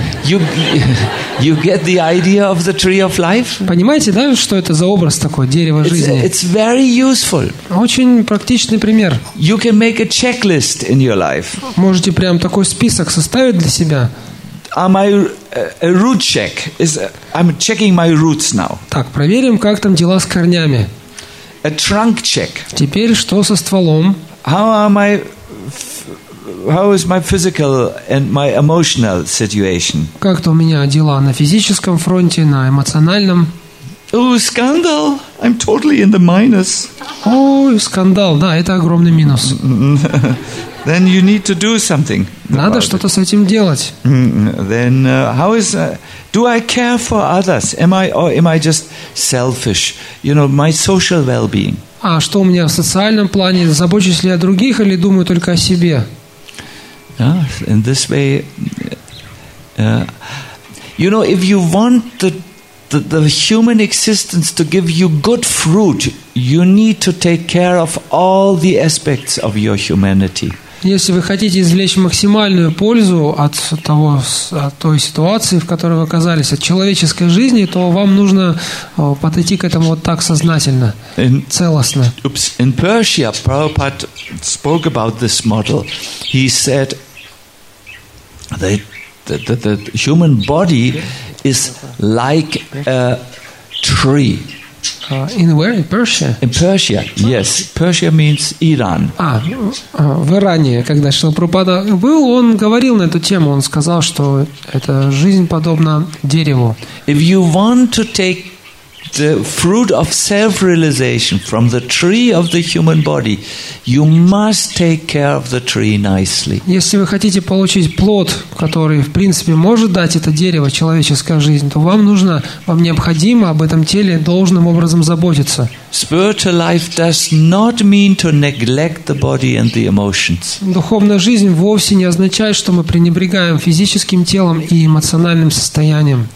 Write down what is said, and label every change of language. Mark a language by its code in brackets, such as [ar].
[en] You get the idea of the tree of life? [ru] Понимаете, да, что это за образ такой, дерево жизни? [en] It's very useful. [ru] Очень практичный пример. [en] You can make a checklist in your life. [ru] Можете прям такой список составить для себя. [en] Am I a root check? I'm checking my roots now. [ru] Так, проверим, как там дела с корнями. [en] A trunk check. [ru] Теперь что со стволом? [en] How is my physical and my emotional situation? [ru] Как-то у меня дела на физическом фронте, на эмоциональном. [en] Oh, scandal! I'm totally in the minus. [ru] Ой, скандал, да, это огромный минус. [en] Then you need to do something. [ru] Надо что-то с этим делать. [en] Then how is do I care for others? Am I just selfish? You know, my social well-being. [ru] А что у меня в социальном плане? Забочусь ли я о других или думаю только о себе? [en] In this way, you know, if you want the human existence to give you good fruit, you need to take care of all the aspects of your humanity. [ru] Если вы хотите извлечь максимальную пользу от того, от той ситуации, в которой вы оказались, от человеческой жизни, то вам нужно подойти к этому вот так сознательно, целостно. [en] In Persia, Prabhupada spoke about this model. He said the human body is like a tree. In Persia, yes. Persia means Iran. [ru] В Иране, когда Шрила Прабхупада был, он говорил на эту тему, он сказал, что эта жизнь подобна дереву. [en] If you want to take the fruit of self-realization from the tree of the human body, you must take care of the tree nicely. [ru] Если вы хотите получить плод, который, в принципе, может дать это дерево, человеческая жизнь, то вам необходимо об этом теле должным образом заботиться. [en] Spiritual life does not mean to neglect the body and the emotions. [ru] Духовная жизнь вовсе не означает, что мы пренебрегаем физическим телом и эмоциональным состоянием.